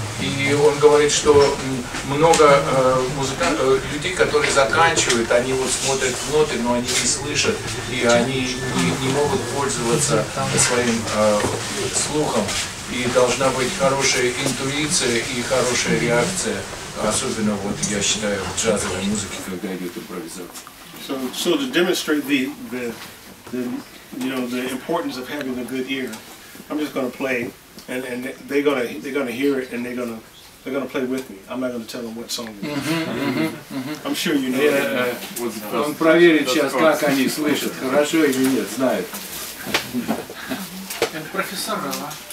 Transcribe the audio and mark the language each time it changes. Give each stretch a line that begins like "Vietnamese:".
Russian: И он говорит, что много людей, которые заканчивают, они вот смотрят в ноты, но они не слышат, и они не могут пользоваться своим слухом. И должна быть хорошая интуиция и хорошая реакция, особенно вот я считаю в джазовой музыке, когда идет импровизация.
English: So to demonstrate the importance of having a good ear, I'm just going to play. And they're gonna hear it, and they're gonna play with me. I'm not gonna tell them what song it is. Mm-hmm. I'm sure you know. Yeah, that.
Russian: Он проверит сейчас, как они слышат, хорошо или нет, знает. Это профессор Рава.